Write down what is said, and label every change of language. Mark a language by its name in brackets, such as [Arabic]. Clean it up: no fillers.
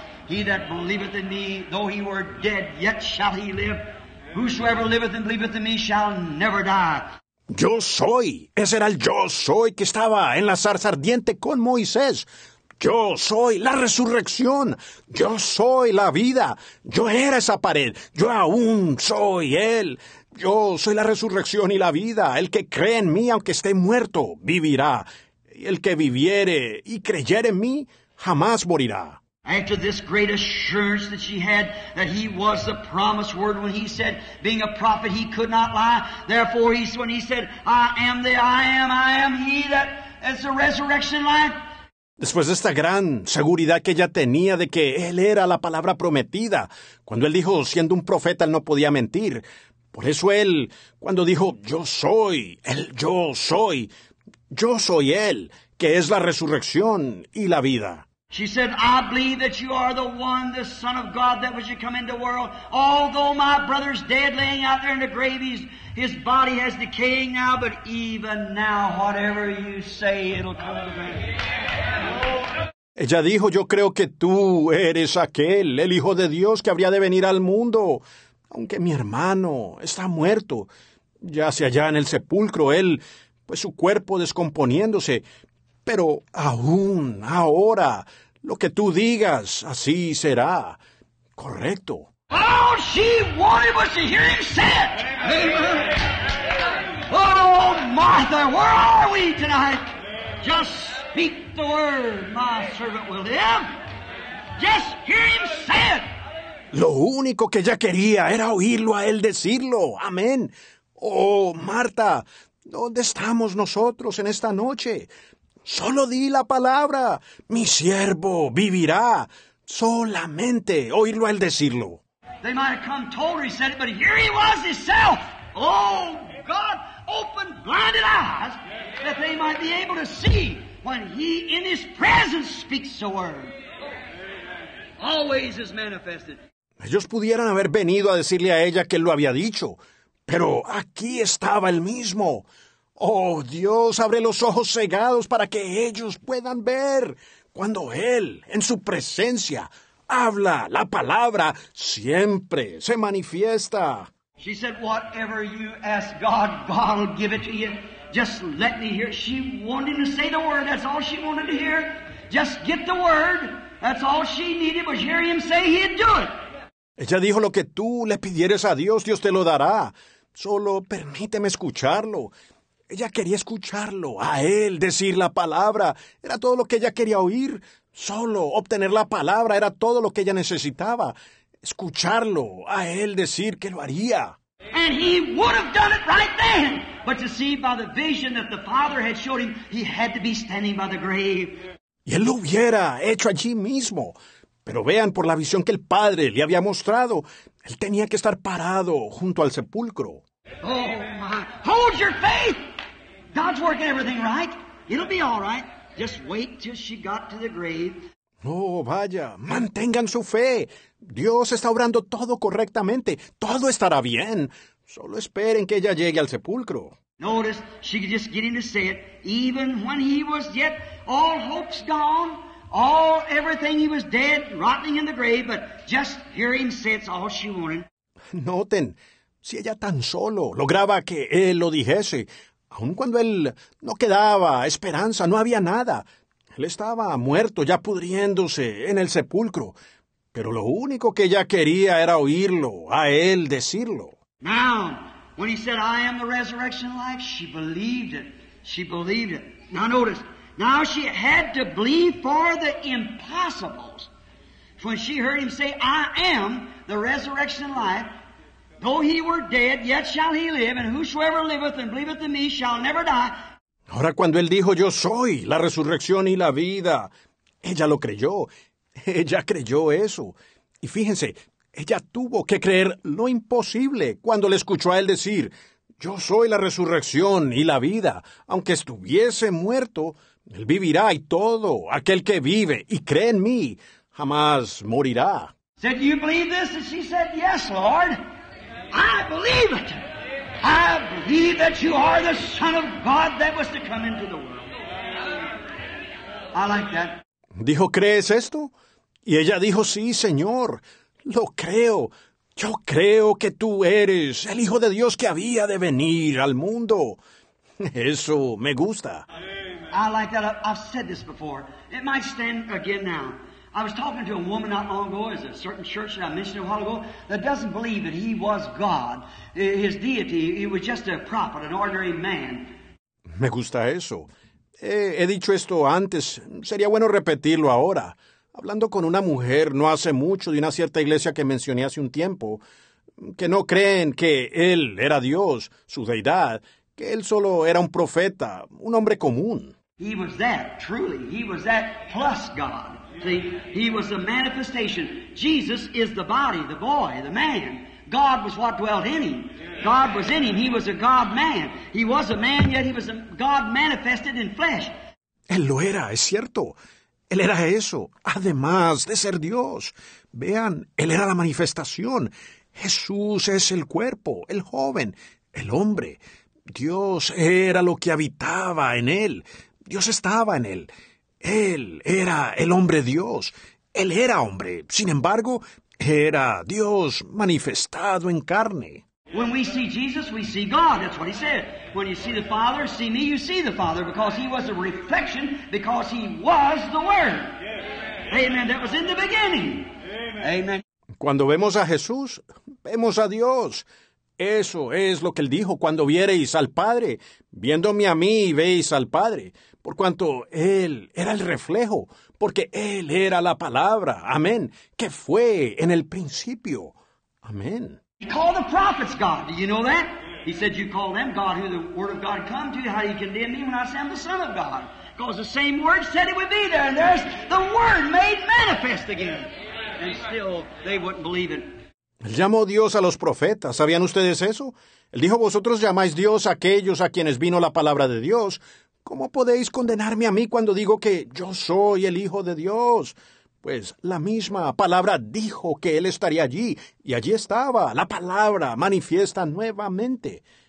[English] He that believeth in me, though he were dead, yet shall he live. Whosoever liveth and believeth in me shall never die. [Spanish] Yo soy. Ese era el yo soy que estaba en la zarza ardiente con Moisés. Yo soy la resurrección. Yo soy la vida. Yo era esa pared. Yo aún soy él. Yo soy la resurrección y la vida. El que cree en mí, aunque esté muerto, vivirá. Y el que viviere y creyere en mí, jamás morirá. [English] After this great assurance that she had that he was the promised word when he said, being a prophet, he could not lie. Therefore, when he said, I am he that is the resurrection life. [Spanish] Después de esta gran seguridad que ella tenía de que él era la palabra prometida, cuando él dijo, siendo un profeta, él no podía mentir. Por eso él, cuando dijo, yo soy, el yo soy él, que es la resurrección y la vida. [English] She said, I believe that you are the one, the Son of God, that was to come into the world. Although my brother's dead, laying out there in the grave, his body has decaying now, but even now, whatever you say, it'll come to me. [Spanish] Ella dijo, yo creo que tú eres aquel, el Hijo de Dios que habría de venir al mundo, aunque mi hermano está muerto, ya sea allá en el sepulcro, él, pues su cuerpo descomponiéndose. Pero aún, ahora, lo que tú digas, así será. Correcto. [English] All she wanted was to hear him say it. Amen. Oh, Martha, where are we tonight? Just speak the word, my servant will live. Just hear him say it. [Spanish] Lo único que ella quería era oírlo a él decirlo. Amén. Oh, Martha, ¿dónde estamos nosotros en esta noche? Solo di la palabra. Mi siervo vivirá. Solamente oírlo a él decirlo. [English] They might have come told her, he said it, but here he was himself. Oh, God, open blinded eyes that they might be able to see when he in his presence speaks the word. Always is manifested. [Spanish] Ellos pudieran haber venido a decirle a ella que él lo había dicho, pero aquí estaba él mismo. Oh, Dios, abre los ojos cegados para que ellos puedan ver. Cuando Él, en su presencia, habla la palabra, siempre se manifiesta. [English] She said, whatever you ask God, God will give it to you. Just let me hear. She wanted to say the word. That's all she wanted to hear. Just get the word. That's all she needed was hear Him say He'd do it. [Spanish] Ella dijo, lo que tú le pidieres a Dios, Dios te lo dará. Solo permíteme escucharlo. Ella quería escucharlo, a él decir la palabra. Era todo lo que ella quería oír. Solo obtener la palabra era todo lo que ella necesitaba. Escucharlo, a él decir que lo haría. [English] And he would have done it right then. But to see by the vision that the Father had showed him, he had to be standing by the grave. [Spanish] Y él lo hubiera hecho allí mismo. Pero vean, por la visión que el Padre le había mostrado, él tenía que estar parado junto al sepulcro. [English] Oh, my. Hold your faith. God's working everything right. It'll be all right. Just wait till she got to the grave. [Spanish] Oh, vaya. Mantengan su fe. Dios está obrando todo correctamente. Todo estará bien. Solo esperen que ella llegue al sepulcro. [English] Notice, she could just get him to say it. Even when he was yet all hopes gone, all everything he was dead, rotting in the grave, but just hear him say it's all she wanted. [Spanish] Noten, si ella tan solo lograba que él lo dijese, aun cuando él no quedaba esperanza, no había nada. Él estaba muerto, ya pudriéndose en el sepulcro. Pero lo único que ella quería era oírlo, a él decirlo. [English] Now, when he said, I am the resurrection life, she believed it. She believed it. Now notice, now she had to believe for the impossibles. When she heard him say, I am the resurrection life, though he were dead, yet shall he live, and whosoever liveth and believeth in me shall never die. [Spanish] Ahora cuando él dijo, yo soy la resurrección y la vida, ella lo creyó. Ella creyó eso. Y fíjense, ella tuvo que creer lo imposible cuando le escuchó a él decir, yo soy la resurrección y la vida. Aunque estuviese muerto, él vivirá y todo aquel que vive y cree en mí jamás morirá. [English] Said, do you believe this? And she said, yes, Lord. I believe it. I believe that you are the Son of God that was to come into the world. I like that. [Spanish] Dijo, ¿crees esto? Y ella dijo, sí, Señor, lo creo. Yo creo que tú eres el Hijo de Dios que había de venir al mundo. Eso me gusta. [English] I like that. I've said this before. It might stand again now. I was talking to a woman not long ago, at a certain church that I mentioned a while ago, that doesn't believe that he was God, his deity, he was just a prophet, an ordinary man. [Spanish] Me gusta eso. He dicho esto antes, sería bueno repetirlo ahora. Hablando con una mujer no hace mucho de una cierta iglesia que mencioné hace un tiempo, que no creen que él era Dios, su deidad, que él solo era un profeta, un hombre común. [English] He was that, truly, he was that plus God. See, he was the manifestation. Jesus is the body, the boy, the man. God was what dwelt in him. God was in him. He was a God-man. He was a man, yet he was a God manifested in flesh. [Spanish] Él lo era, es cierto. Él era eso, además de ser Dios. Vean, Él era la manifestación. Jesús es el cuerpo, el joven, el hombre. Dios era lo que habitaba en Él. Dios estaba en Él. Él era el hombre Dios. Él era hombre. Sin embargo, era Dios manifestado en carne. [English] When we see Jesus, we see God. That's what he said. When you see the Father, see me, you see the Father, because he was a reflection, because he was the Word. Yes. Amen. That was in the beginning. Amen. Amen. [Spanish] Cuando vemos a Jesús, vemos a Dios. Eso es lo que él dijo, cuando viereis al Padre, viéndome a mí, veis al Padre, por cuanto él era el reflejo, porque él era la palabra, amén, que fue en el principio, amén. [English] He called the prophets God, do you know that? He said, you call them God, who the word of God come to you, how do you condemn me when I say I'm the Son of God? Because the same word said it would be there, and there's the word made manifest again. And still, they wouldn't believe it. [Spanish] Él llamó Dios a los profetas. ¿Sabían ustedes eso? Él dijo, vosotros llamáis Dios a aquellos a quienes vino la palabra de Dios. ¿Cómo podéis condenarme a mí cuando digo que yo soy el Hijo de Dios? Pues la misma palabra dijo que Él estaría allí, y allí estaba, la palabra manifiesta nuevamente.